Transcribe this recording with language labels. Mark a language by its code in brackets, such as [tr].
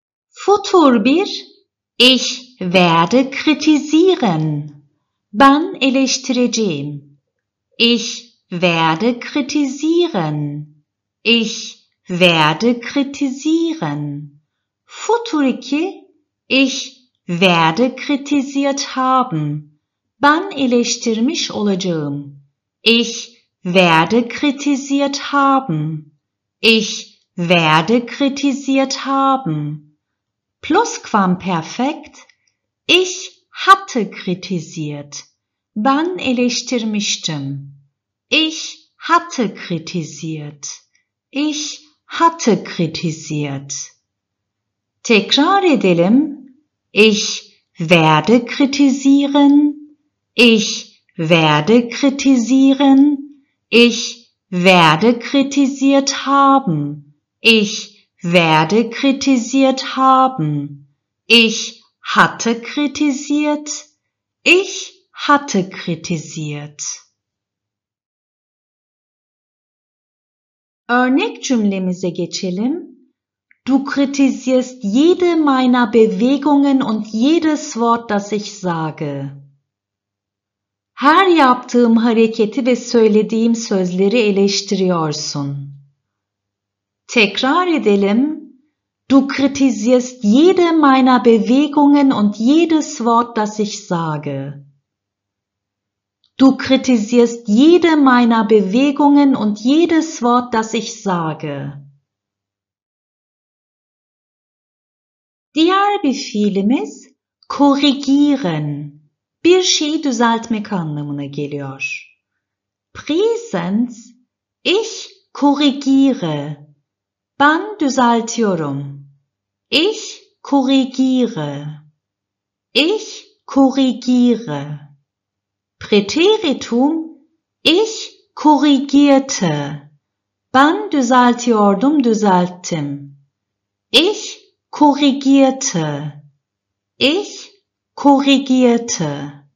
[de] Futur 1. Ich werde kritisieren. [tr] Ben eleştireceğim. [de] Ich werde kritisieren. Ich werde kritisieren. Futur 2. Ich werde kritisiert haben. [tr] Ben eleştirmiş olacağım. [de] Ich werde kritisiert haben. Ich werde kritisiert haben. Plusquamperfekt. Ich hatte kritisiert. [tr] Ben eleştirmiştim. [de] Ich hatte kritisiert. Ich hatte kritisiert. [tr] Tekrar edelim. [de] Ich werde kritisieren. Ich Werde kritisieren. Ich werde kritisiert haben. Ich werde kritisiert haben. Ich hatte kritisiert. Ich hatte kritisiert. [tr] Örnek cümlemize geçelim. [de] Du kritisierst jede meiner Bewegungen und jedes Wort, das ich sage. [tr] Her yaptığım hareketi ve söylediğim sözleri eleştiriyorsun. Tekrar edelim. [de] Du kritisierst jede meiner Bewegungen und jedes Wort, das ich sage. Du kritisierst jede meiner Bewegungen und jedes Wort, das ich sage. [tr] Diğer bir fiilimiz korrigieren, bir şeyi düzeltmek anlamına geliyor. [de] Präsens, ich korrigiere, [tr] ben düzeltiyorum. [de] Ich korrigiere, ich korrigiere. Präteritum, ich korrigierte, [tr] ben düzeltiyordum, düzelttim. [de] Ich korrigierte. Ich korrigierte.